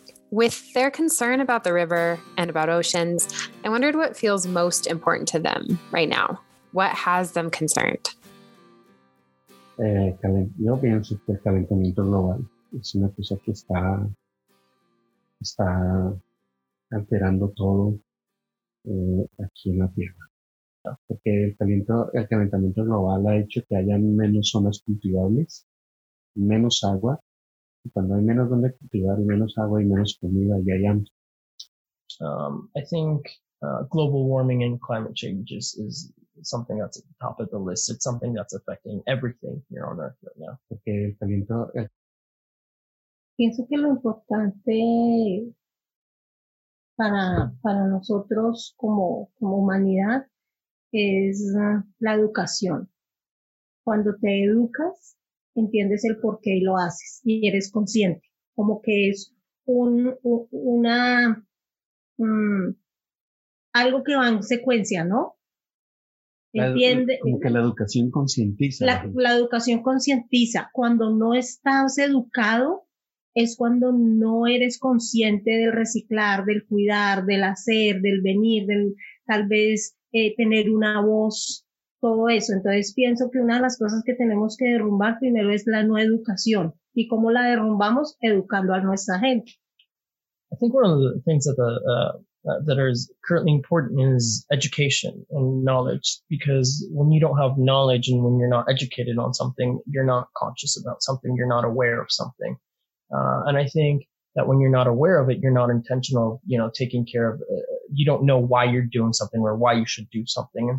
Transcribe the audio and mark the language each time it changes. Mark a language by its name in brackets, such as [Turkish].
[English] With their concern about the river and about oceans, I wondered what feels most important to them right now. What has them concerned? [Spanish] Yo pienso que el calentamiento global es una cosa que está alterando todo aquí en la Tierra. Porque el calentamiento global ha hecho que haya menos zonas cultivables, menos agua. Cuando hay menos donde cultivar, menos agua y menos comida, y hay hambre. [English] I think global warming and climate change is something that's at the top of the list. It's something that's affecting everything here on Earth right now. [Spanish] Porque el caliente. Pienso que lo importante para nosotros como humanidad es la educación. Cuando te educas, entiendes el por qué lo haces y eres consciente. Como que es algo que va en secuencia, ¿no? Entiende. Como que la educación concientiza. La educación concientiza. Cuando no estás educado, es cuando no eres consciente del reciclar, del cuidar, del hacer, del venir, del tal vez tener una voz. Todo eso. Entonces pienso que una de las cosas que tenemos que derrumbar primero es la no educación. ¿Y cómo la derrumbamos? Educando a nuestra gente. [English] I think one of the things that that is currently important is education and knowledge, because when you don't have knowledge and when you're not educated on something, you're not conscious about something, you're not aware of something. And I think that when you're not aware of it, you're not intentional, you know, taking care of you don't know why you're doing something or why you should do something.